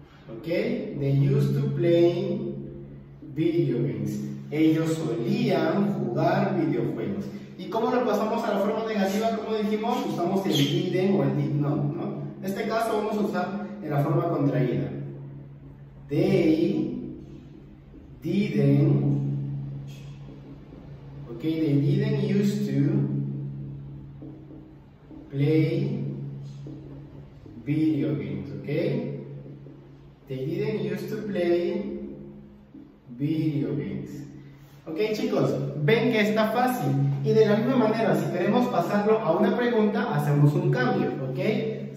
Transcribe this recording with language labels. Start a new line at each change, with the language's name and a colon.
English: ¿Ok? They used to play video games.
Spanish: Ellos solían jugar videojuegos. ¿Y cómo lo pasamos a la forma negativa? Como dijimos, usamos el didn't o el did not, ¿no? En este caso vamos a usar en la forma contraída.
English: They didn't, ok, they didn't used to play video games, ok. They didn't used to play video games. Ok, chicos,
Spanish: ven que está fácil. Y de la misma manera, si queremos pasarlo a una pregunta, hacemos un cambio, ¿ok?